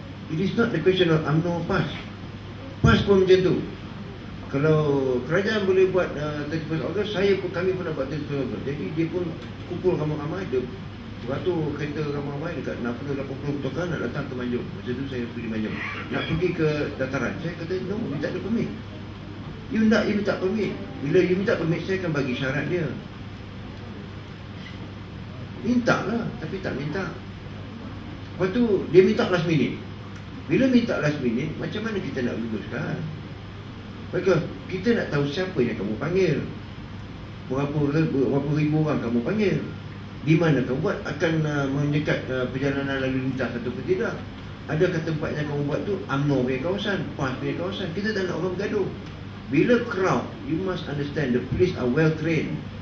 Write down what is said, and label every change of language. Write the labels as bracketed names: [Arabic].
[English] It is not the question of UMNO PAS. [Malay] PAS pun macam tu. Kalau kerajaan boleh buat 31 Ogos, saya pun, kami pun nak buat 31 Ogos. Jadi dia pun kumpul ramai-ramai, dia beratur kereta ramai-ramai dekat 60-80 tukar nak datang ke Manjung. Macam tu saya pergi Manjung, nak pergi ke dataran. Saya kata, no, you tak ada permit. You nak, you minta permit. Bila you minta permit, saya akan bagi syarat dia. Minta lah, tapi tak minta. Lepas tu, dia minta last minute. Bila minta last minute, macam mana kita nak luluskan? Baiklah, kita nak tahu siapa yang kamu panggil, berapa ribu orang kamu panggil, di mana kamu buat, akan menyekat perjalanan lalu lintas atau tidak. Adakah tempat yang kamu buat tu UMNO punya kawasan, PAS punya kawasan? Kita tak nak orang bergaduh. [English] Bila crowd, you must understand, the police are well trained.